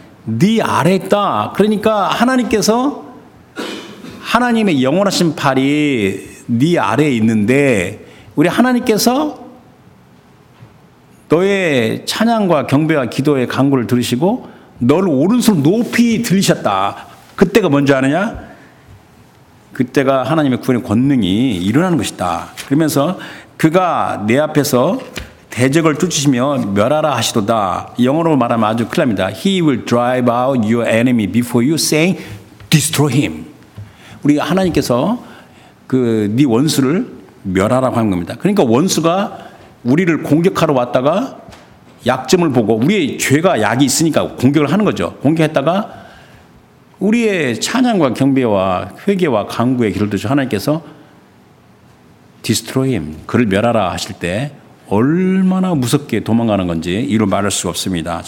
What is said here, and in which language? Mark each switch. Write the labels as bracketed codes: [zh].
[ko] 네 아래에 있다. 그러니까 하나님께서 하나님의 영원하신 발이 네 아래에 있는데 우리 하나님께서 너의 찬양과 경배와 기도의 간구를 들으시고 너를 오른손 높이 들리셨다. 그때가 뭔지 아느냐? 그때가 하나님의 구원의 권능이 일어나는 것이다. 그러면서 그가 내 앞에서 대적을 쫓으시며 멸하라 하시도다. 영어로 말하면 아주 큰일 납니다. [en] He will drive out your enemy before you saying destroy him. [ko] 우리 하나님께서 그 네 원수를 멸하라고 하는 겁니다. 그러니까 원수가 우리를 공격하러 왔다가 약점을 보고 우리의 죄가 약이 있으니까 공격을 하는 거죠. 공격했다가 우리의 찬양과 경배와 회개와 간구의 길을 두셔 하나님께서 [en] destroy him, [ko] 그를 멸하라 하실 때 얼마나 무섭게 도망가는 건지 이루 말할 수 없습니다.